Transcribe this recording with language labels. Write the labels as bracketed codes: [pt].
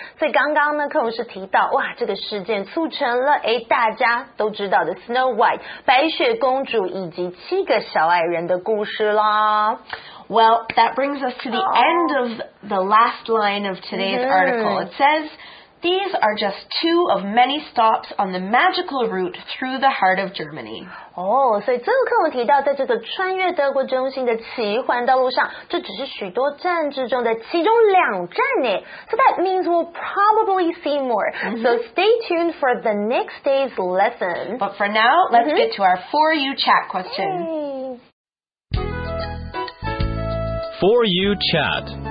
[zh] 所以刚刚呢柯老师提到哇这个事件促成了诶大家都知道的 Snow White, 白雪公主以及七个小矮人的故事啦。 [en] Well, that brings us to the end of the last line of today's article. It says, these are just two of many stops on the magical route through the heart of Germany. [zh] Oh, 所以最后课文提到在这个穿越德国中心的奇幻道路上这只是许多站之中的其中两站耶。 [en] So that means we'll probably see more. Mm-hmm. So stay tuned for the next day's lesson. But for now, let's get to our For You chat question. Yay. For You chat.